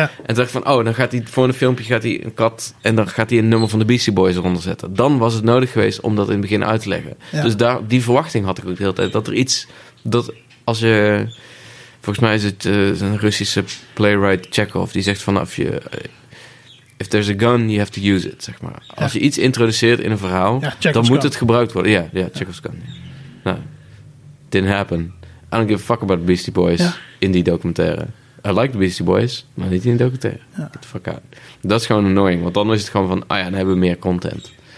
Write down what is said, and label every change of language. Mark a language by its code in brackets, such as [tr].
[nl] En toen dacht ik van, oh, dan gaat hij voor een filmpje gaat hij een kat... En dan gaat hij een nummer van de Beastie Boys eronder zetten. Dan was het nodig geweest om dat in het begin uit te leggen. Ja. Dus daar die verwachting had ik ook de hele tijd. Dat er iets... Dat als je... Volgens mij is het een Russische playwright Chekhov. Die zegt vanaf je... [en] If there's a gun, you have to use it, [nl] zeg maar. Ja. Als je iets introduceert in een verhaal, dan moet het gebruikt worden. [en] Ja, yeah, Chekhov's gun. Yeah. Nou, didn't happen. I don't give a fuck about Beastie Boys [nl] in die documentaire. [en] I like the Beastie Boys, [nl] maar niet in die documentaire. Ja. [en] Get the fuck out. [nl] Dat is gewoon annoying, want dan is het gewoon van, ah ja, dan hebben we meer content.